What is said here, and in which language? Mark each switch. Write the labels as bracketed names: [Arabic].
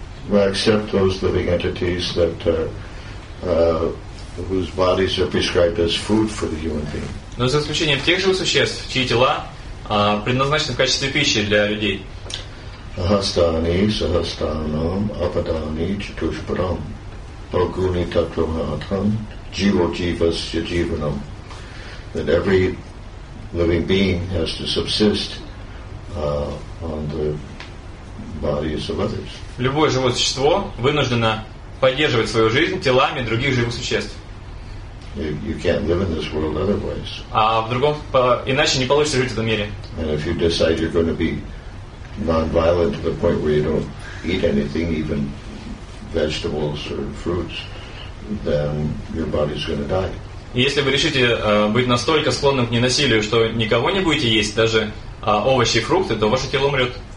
[English] Well, except those living entities that whose bodies are prescribed as food for the human being. [Russian] Но за исключением тех же существ, чьи тела предназначены в качестве пищи для людей. [Sanskrit] Ahastani, sahastanam, apadani, chatushpadam, bhaguni tatvamatam, jivo jivas yajivanam. [English] That every living being has to subsist on the bodies of others. [Russian] Любое живое существо вынуждено поддерживать свою жизнь телами других живых существ. [English] You can't live in this world otherwise. [Russian] А в другом, иначе не получится жить в этом мире. [English] And if you decide you're going to be non-violent to the point where you don't eat anything, even vegetables or fruits, then your body's going to die. [Russian] Если вы решите быть настолько склонным к ненасилию, что никого не будете есть, даже овощи и фрукты, то ваше тело умрет.